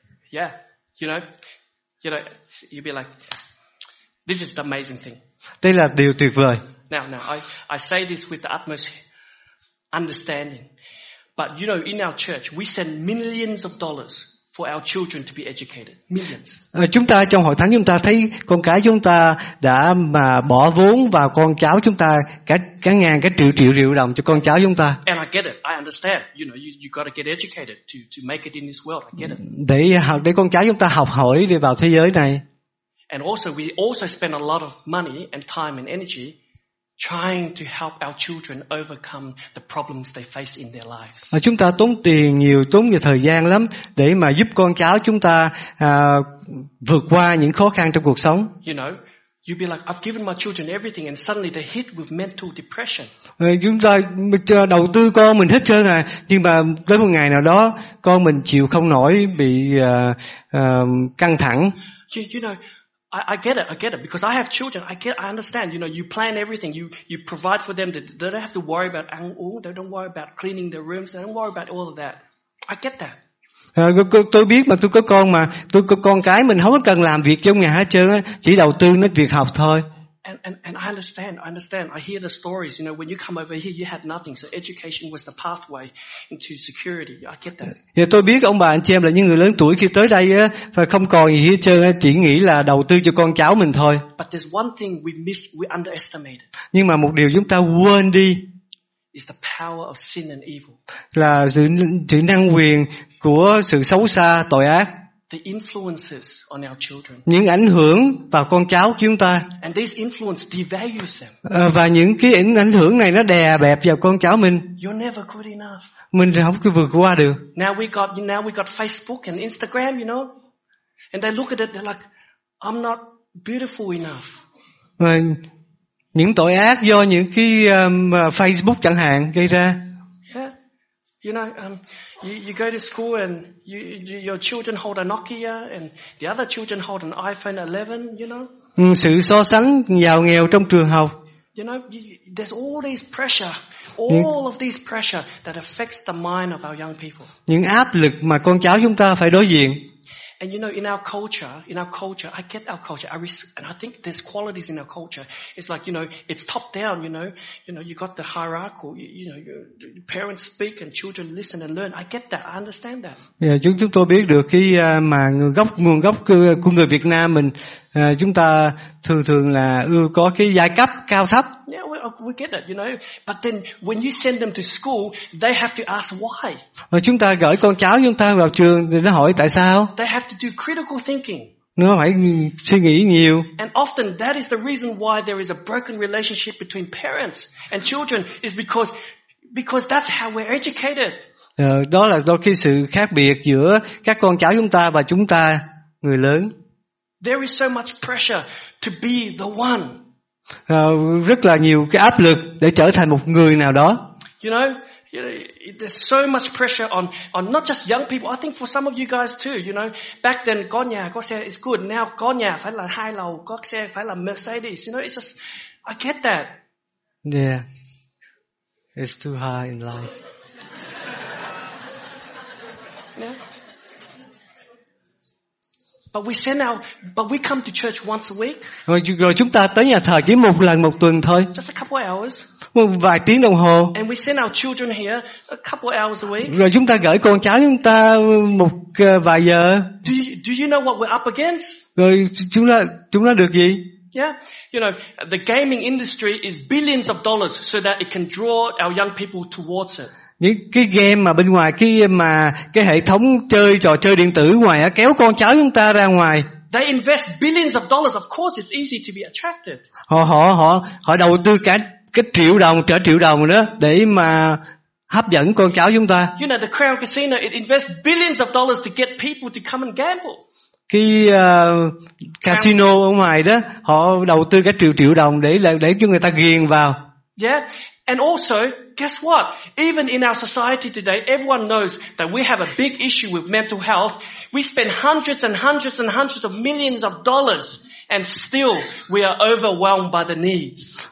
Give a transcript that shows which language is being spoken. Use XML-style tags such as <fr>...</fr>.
<en>Yeah, you know, you'd be like, this is the amazing thing.</en> <vi>Đây là điều tuyệt vời.</vi> <en>Now, I say this with the utmost understanding, but you know, in our church, we send millions of dollars for our children to be educated. Millions.</en> <vi>Chúng ta trong hội thánh chúng ta thấy con cái chúng ta đã mà bỏ vốn vào con cháu chúng ta cả ngàn cái triệu đồng cho con cháu chúng ta.</vi> <en>And I get it. I understand. You know, you got to get educated to make it in this world. I get it.</en> <vi>Để con cháu chúng ta học hỏi đi vào thế giới này.</vi> <en>And also, we also spend a lot of money and time and energy trying to help our children overcome the problems they face in their lives.</en> <vi>Mà chúng ta tốn nhiều thời gian lắm để mà giúp con cháu chúng ta vượt qua những khó khăn trong cuộc sống.</vi> <en>You know, you'd be like, I've given my children everything and suddenly they're hit with mental depression.</en> <vi>Chúng ta đầu tư con mình hết trơn à, nhưng mà tới một ngày nào đó con mình chịu không nổi bị căng thẳng.</vi> <en>You know, I get it, because I have children. I understand. You know, you plan everything. You provide for them. They don't have to worry about ang-ung. They don't worry about cleaning their rooms. They don't worry about all of that. I get that.</en> <vi>Tôi biết mà tôi có con mà tôi có con cái mình không có cần làm việc trong nhà hết trơn á, chỉ đầu tư nó việc học thôi.</vi> <en>And I understand. I hear the stories. You know, when you come over here, you had nothing. So education was the pathway into security. I get that.</en> <vi>Yeah, tôi biết ông bà anh chị em là những người lớn tuổi khi tới đây á, và không còn gì hết trơn, chỉ nghĩ là đầu tư cho con cháu mình thôi.</vi> <en>But there's one thing we miss, we underestimate.</en> <vi>Nhưng mà một điều chúng ta quên đi.</vi> <en>Is the power of sin and evil.</en> <vi>Là sự năng quyền của sự xấu xa, tội ác.</vi> <en>The influences on our children.</en> <vi>Những ảnh hưởng vào con cháu chúng ta.</vi> <en>And these influence devalues them.</en> <vi>Và những cái ảnh hưởng này nó đè bẹp vào con cháu mình.</vi> <en>You're never good enough.</en> <vi>Mình không có vượt qua được.</vi> <en>Now we got Facebook and Instagram, you know. And they look at it, they're like, I'm not beautiful enough.</en> <vi>Những tội ác do những cái Facebook chẳng hạn gây ra.</vi> <en>You know, you go to school and your children hold a Nokia and the other children hold an iPhone 11, you know?</en> <vi>Sự so sánh giàu nghèo trong trường học.</vi> <en>You know, there's all these pressure, all of these pressure that affects the mind of our young people.</en> <vi>Những áp lực mà con cháu chúng ta phải đối diện.</vi> <en>And you know, in our culture, I get our culture, and I think there's qualities in our culture. It's like, you know, it's top down, you know, you got the hierarchy, you know, your parents speak and children listen and learn. I get that, I understand that.</en> <vi>Yeah, chúng tôi biết được mà nguồn gốc của người Việt Nam mình, chúng ta thường là ưa có cái giai cấp cao thấp.</vi> <en>Yeah, we get that, you know. But then when you send them to school, they have to ask why.</en> <vi>Chúng ta gửi con cháu chúng ta vào trường thì nó hỏi tại sao.</vi> <en>They have to do critical thinking.</en> <vi>Nó phải suy nghĩ nhiều.</vi> <en>And often that is the reason why there is a broken relationship between parents and children is because that's how we're educated.</en> <vi>Đó là đôi khi sự khác biệt giữa các con cháu chúng ta và chúng ta người lớn.</vi> <en>There is so much pressure to be the one.</en> <vi>Rất là nhiều cái áp lực để trở thành một người nào đó.</vi> <en>You know, there's so much pressure on not just young people. I think for some of you guys too, you know, back then,</en> <vi>có nhà, có xe</vi> <en>is good.</en> <vi>Now, có nhà phải là hai lầu, có xe phải là Mercedes.</vi> <en>You know, it's just, I get that. Yeah. It's too high in life. Yeah. But we come to church once a week.</en> <vi>Rồi chúng ta tới nhà thờ chỉ một lần một tuần thôi.</vi> <en>Just a couple hours.</en> <vi>Một vài tiếng đồng hồ.</vi> <en>And we send our children here a couple hours a week.</en> <vi>Rồi chúng ta gửi con cháu chúng ta một vài giờ.</vi> <en>Do you know what we're up against?</en> <vi>Rồi chúng ta được gì?</vi> <en>Yeah, you know, the gaming industry is billions of dollars so that it can draw our young people towards it.</en> <vi>Những cái game mà bên ngoài cái hệ thống chơi trò chơi điện tử ngoài á kéo con cháu chúng ta ra ngoài.</vi> <en>They invest billions of dollars. Of course, it's easy to be attracted.</en> <vi>Họ đầu tư cả triệu đồng trở triệu đồng đó để mà hấp dẫn con cháu chúng ta.</vi> <en>You know, the Crown Casino, it invests billions of dollars to get people to come and gamble.</en> <vi>Cái casino ở ngoài đó họ đầu tư cả triệu triệu đồng để cho người ta ghiền vào.</vi> <en>Yeah. And also, guess what? Even in our society today, everyone knows that we have a big issue with mental health. We spend hundreds and hundreds and hundreds of millions of dollars, and still we are overwhelmed by the needs.</en>